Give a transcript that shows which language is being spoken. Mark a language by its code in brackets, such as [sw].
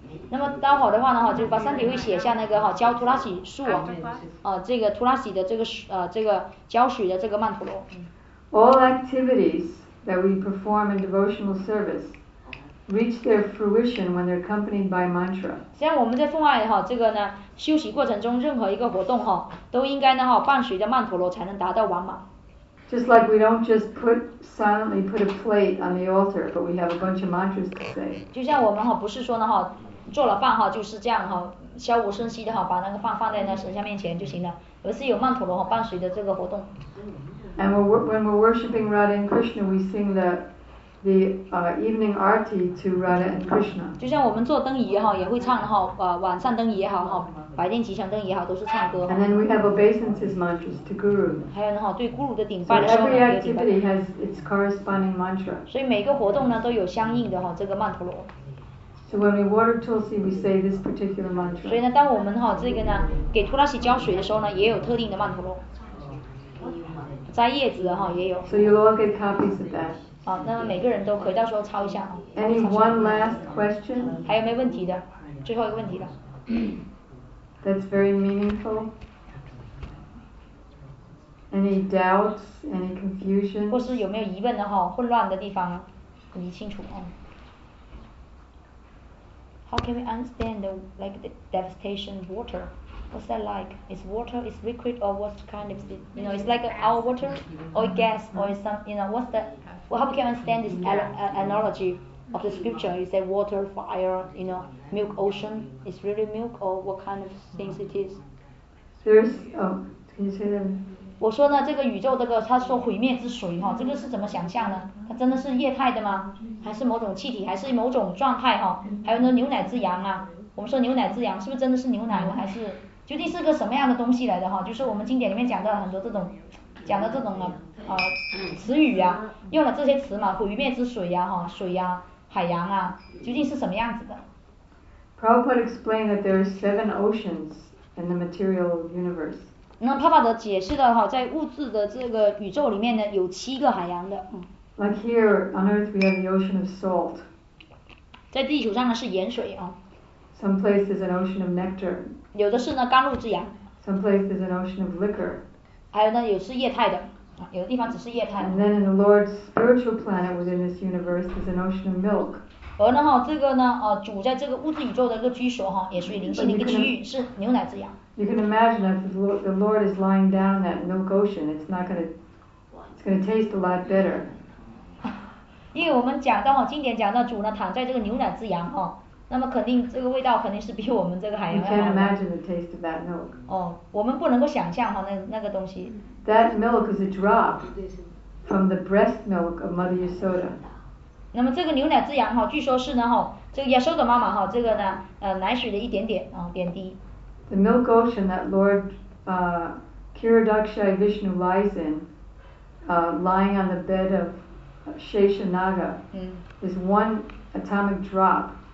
[zh] 那么待会的话呢，就是把身体会写下那个哈浇图拉喜树啊，这个图拉喜的这个这个浇水的这个曼陀罗。 [en] All activities that we perform in devotional service reach their fruition when they're accompanied by mantra. [zh] 像我们在奉爱哈，这个呢，修习过程中任何一个活动哈，都应该呢哈，伴随着曼陀罗才能达到完满。 [en] Just like we don't just put silently put a plate on the altar, but we have a bunch of mantras to say. [zh] 就像我们哈，不是说呢哈，做了饭哈就是这样哈，悄无声息的哈，把那个饭放在那神像面前就行了，而是有曼陀罗哈伴随着这个活动。 [en] And when we're worshiping Radha and Krishna, we sing the evening arti to Radha and Krishna. [zh] 就像我们做灯仪哈，也会唱哈，晚上灯仪也好哈，白天吉祥灯仪也好，都是唱歌。 [en] And then we have obeisances mantras to Guru. [zh] 还有呢哈，对 Guru 的顶拜的时 [en] 候。So every activity has its corresponding mantra. [zh] 所以每个活动呢都有相应的哈这个曼陀罗。 [en] So when we water Tulsi, we say this particular mantra. [zh] 所以呢，当我们哈这个呢给 Tulsi 浇水的时候呢，也有特定的曼陀罗。摘叶子的哈也有。 [en] So you'll all get copies of that. [zh] 好，那么每个人都可以到时候抄一下啊。 [en] Any one last question? [zh] 还有没问题的？最后一个问题了。 [en] That's very meaningful. Any doubts? Any confusion? [zh] 或是有没有疑问的哈？混乱的地方啊，理清楚啊。 [en] How can we understand the, like the devastation water? What's that like? Is water is liquid or what kind of, you know, it's like our water or gas or some, you know, what's that? Well, how can you understand this analogy of the scripture? You say water, fire, you know, milk, ocean. Is really milk or what kind of things it is? There's, oh, can you say that? [zh] 我说呢，这个宇宙这个，他说毁灭之水哈，这个是怎么想象呢？它真的是液态的吗？还是某种气体？还是某种状态哈？还有呢，牛奶之阳啊，我们说牛奶之阳是不是真的是牛奶还是？究竟是个什么样的东西来的哈？就是我们经典里面讲到很多这种，讲的这种词语啊，用了这些词嘛，毁灭之水呀、啊、哈，水呀、啊，海洋啊，究竟是什么样子的 [en] ？Prabhupada explained that there are seven oceans in the material universe. [zh] 那帕帕德解释的哈，在物质的这个宇宙里面呢，有七个海洋的。 [en] Like here on Earth, we have the ocean of salt. [zh] 在地球上呢是盐水啊。 [en] Some place is an ocean of nectar. [zh] 有的是呢甘露之洋。 [en] Some place is an ocean of liquor. [zh] 还有呢，有是液态的，有的地方只是液态的。 [en] And then in the Lord's spiritual planet within this universe is an ocean of milk. [zh] 而呢哈，这个呢，主在这个物质宇宙的一个居所哈，也属于灵性的一个区域，是牛奶之洋。 [en] You can imagine if the Lord is lying down in that milk ocean, it's not gonna, it's gonna taste a lot better. [zh] 因为我们讲到哈，经典讲到主呢躺在这个牛奶之洋哈。那么肯定这个味道肯定是比我们这个海洋要好。 [en] You can't imagine the taste of that milk. [zh] 哦，我们不能够想象哈那个东西。 [en] That milk is a drop from the breast milk of Mother Yasoda. [zh] 那么这个牛奶之羊哈，据说是呢哈，这个 Yasoda 妈妈哈，这个呢奶水的一点点啊点滴。 [en] The milk ocean that Lord Kiradaksha Vishnu lies in, lying on the bed of Sheshanaga, is one atomic drop.